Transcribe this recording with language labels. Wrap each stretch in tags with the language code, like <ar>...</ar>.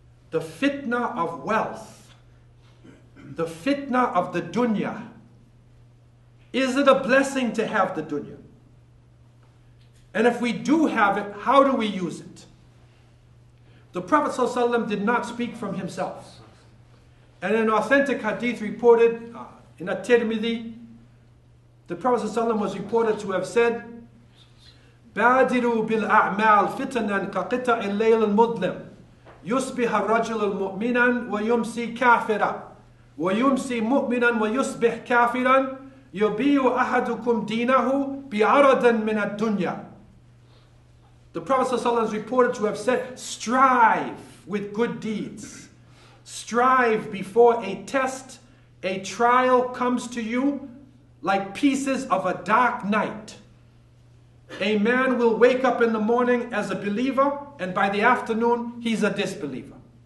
<en>The fitna of wealth, the fitna of the dunya. Is it a blessing to have the dunya? And if we do have it, how do we use it? The Prophet ﷺ did not speak from himself. And an authentic hadith reported in At-Tirmidhi, the Prophet ﷺ was reported to have said,</en> <ar>بَادِرُوا بِالْأَعْمَالِ فِتَنًا كَقِطَعِ اللَّيْلِ الْمُظْلِمِ يُصْبِحَ الرَّجُلُ الْمُؤْمِنًا وَيُمْسِي كَافِرًا وَيُمْسِي مُؤْمِنًا وَيُصْبِحْ كَافِرًا يُبِيُّ أَحَدُكُمْ دِينَهُ بِعَرَضًا مِنَ الدُّنْيَا.</ar> <en>The Prophet ﷺ is reported to have said, strive with good deeds. Strive before a test, a trial comes to you like pieces of a dark night. A man will wake up in the morning as a believer, and by the afternoon, he's a disbeliever.</en>